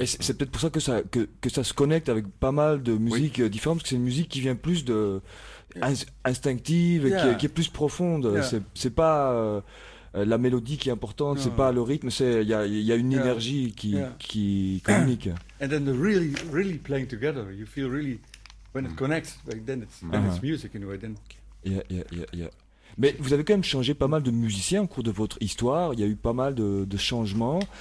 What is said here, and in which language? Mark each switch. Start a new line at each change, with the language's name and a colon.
French: Et c'est peut-être pour ça que ça se connecte avec pas mal de musiques différentes, parce que c'est une musique qui vient plus de instinctive, qui est plus profonde. Yeah. C'est pas la mélodie qui est importante, c'est pas le rythme, c'est il y a une énergie qui communique.
English: And then the really really playing together, you feel really when it connects, like then it's music in a way. Then yeah.
French: Mais vous avez quand même changé pas mal de musiciens au cours de votre histoire. Il y a eu pas mal de changements.